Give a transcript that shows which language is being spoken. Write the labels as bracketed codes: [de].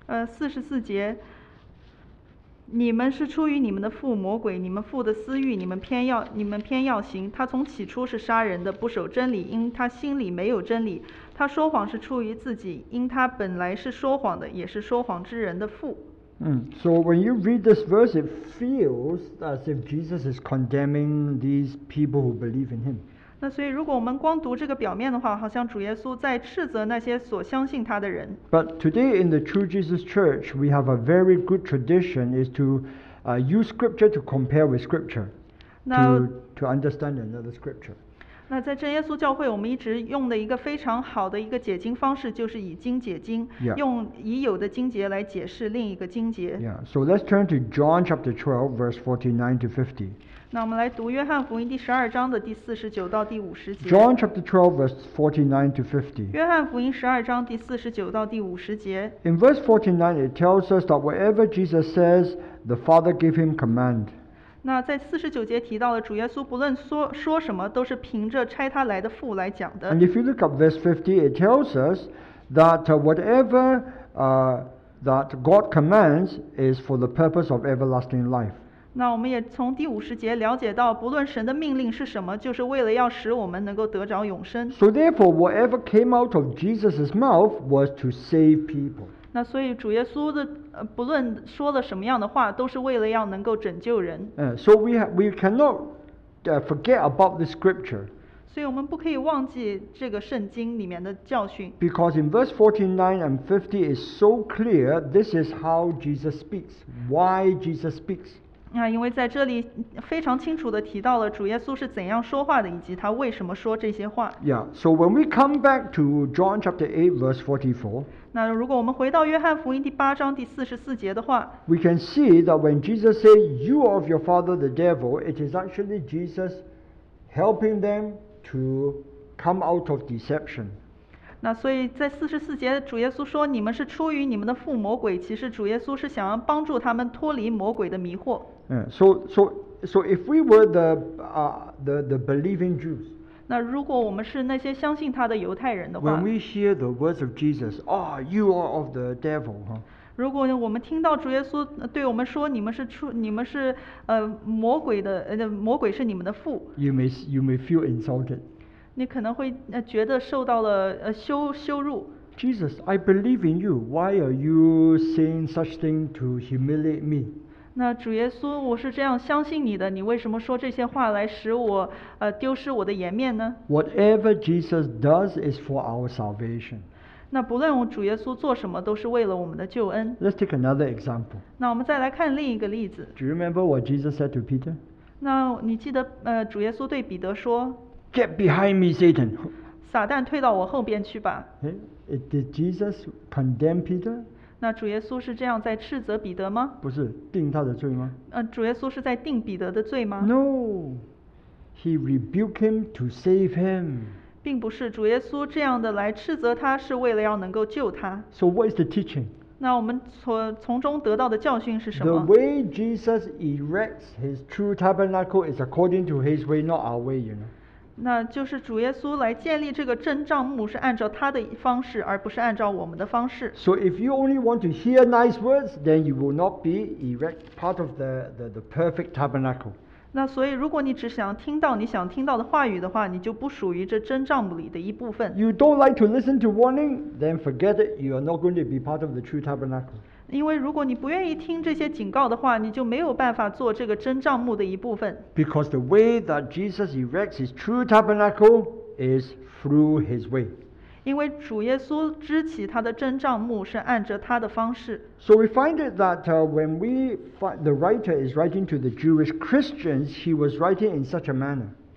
[zh] 四十四节，你们是出于你们的父魔鬼，你们父的私欲，你们偏要行。他从起初是杀人的，不守真理，因他心里没有真理。他说谎是出于自己，因他本来是说谎的，也是说谎之人的父。 [en] So when you read this verse, it feels as if Jesus is condemning these people who believe in him. [zh] 那所以如果我们光读这个表面的话，好像主耶稣在斥责那些所相信他的人。 [en] But today in the True Jesus Church, we have a very good tradition is to use scripture to compare with scripture to understand another scripture. [zh] 那在真耶稣教会，我们一直用的一个非常好的一个解经方式，就是以经解经， [en] yeah. [zh] 用已有的经节来解释另一个经节。 [en] Yeah. So let's turn to John chapter 12, verse 49 to 50. [zh] 那我们来读约翰福音第十二章的第四十九到第五十节。 [en] John chapter 12, verse 49 to 50. [zh] 约翰福音十二章第四十九到第五十节。 [en] In verse 49, it tells us that whatever Jesus says, the Father gave him command. [zh] 那在四十九节提到了主耶稣不论说什么，都是凭着差他来的父来讲的。 [en] And if you look at verse 50, it tells us that whatever that God commands is for the purpose of everlasting life. [zh] 那我们也从第五十节了解到，不论神的命令是什么，就是为了要使我们能够得着永生。 [en] So therefore, whatever came out of Jesus' mouth was to save people. [zh] 那所以主耶稣的不论说了什么样的话，都是为了要能够拯救人。 [en] So we cannot forget about the scripture. [zh] 所以我们不可以忘记这个圣经里面的教训。 [en] Because in verse 49 and 50 is so clear, this is how Jesus speaks, why Jesus speaks. [zh] 因为在这里非常清楚地提到了主耶稣是怎样说话的，以及他为什么说这些话。 [en] Yeah, so when we come back to John chapter 8, verse 44, [zh] 那如果我们回到约翰福音第八章第四十四节的话， [en] we can see that when Jesus said, "You are of your father the devil," it is actually Jesus helping them to come out of deception. [zh] 那所以在四十四节主耶稣说你们是出于你们的父魔鬼，其实主耶稣是想要帮助他们脱离魔鬼的迷惑。 [en] So if we were the believing Jews, [zh] 那如果我们是那些相信他的犹太人的话， [en] when we hear the words of Jesus, oh, you are of the devil, huh? [zh] 如果我们听到主耶稣对我们说你们 是魔鬼的魔鬼是你们的父， [en] you may feel insulted. [zh] 你可能会觉得受到了羞辱。 [en] Jesus, I believe in you. Why are you saying such thing to humiliate me? [zh] 那主耶稣，我是这样相信你的，你为什么说这些话来使我丢失我的颜面呢？ [en] Whatever Jesus does is for our salvation. [zh] 那不论主耶稣做什么，都是为了我们的救恩。 [en] Let's take another example. [zh] 那我们再来看另一个例子。 [en] Do you remember what Jesus said to Peter? [zh] 那你记得主耶稣对彼得说。 [en] Get behind me, Satan! [zh] 撒旦退到我后边去吧。 [en] Did Jesus condemn Peter? [zh] 那主耶稣是这样在斥责彼得吗？不是，定他的罪吗？主耶稣是在定彼得的罪吗？ [en] No! He rebuked him to save him. [zh] 并不是，主耶稣这样的来斥责他是为了要能够救他。 [en] So what is the teaching? [zh] 那我们从中得到的教训是什么？ [en] The way Jesus erects his true tabernacle is according to his way, not our way, you know. [zh] 那就是主耶稣来建立这个真帐幕是按照他的方式，而不是按照我们的方式。 [en] So if you only want to hear nice words, then you will not be erect part of the perfect tabernacle. [zh] 那所以如果你只想听到你想听到的话语的话，你就不属于这真帐幕里的一部分。 [en] You don't like to listen to warning, then forget it. You are not going to be part of the true tabernacle. [zh] 因为如果你不愿意听这些警告的话，你就没有办法做这个真帐幕的一部分。 [en] Because the way that Jesus erects his true tabernacle is through his way. [zh] 因为主耶稣支起他的真帐幕是按着他的方式。 [en] So we find it that when we find the writer is writing to the Jewish Christians, he was writing in such a manner.